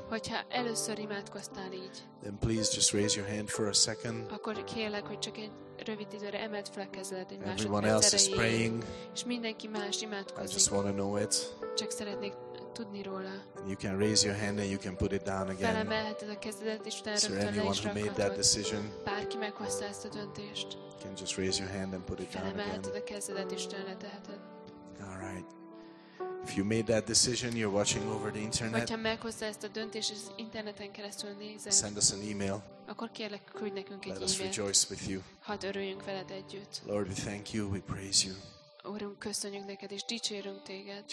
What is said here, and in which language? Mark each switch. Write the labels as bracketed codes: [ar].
[hu] hogyha először imádkoztál így, [en] then please just raise your hand for a second. [hu] Akkor kérlek, hogy csak egy rövid időre emeld fel a kezeled egy másodperc [en] Everyone else is praying. [hu] És mindenki más imádkozik. [en] I just want to know it. [hu] Csak szeretnék tudni róla. [en] You can raise your hand and you can put it down again. [hu] Felemelheted a kezedet, és utána rögtön le is rakhatod. [en] Is there anyone who made that decision? [hu] Bárki meghozta ezt a döntést. [en] You can just raise your hand and put it down again. [hu] Felemelheted a kezedet, és utána leteheted. [en] All right. If you made that decision, you're watching over the internet. [hu] Hogyha meghozta ezt a döntést, és interneten keresztül nézed. [en] Send us an email. [hu] Akkor kérlek, küldj nekünk egy e-mailt. [en] Let us rejoice with you. [hu] Hadd örüljünk veled együtt. [en] Lord, we thank you, we praise you. [hu] Úrunk, köszönjük neked, és dicsérünk téged.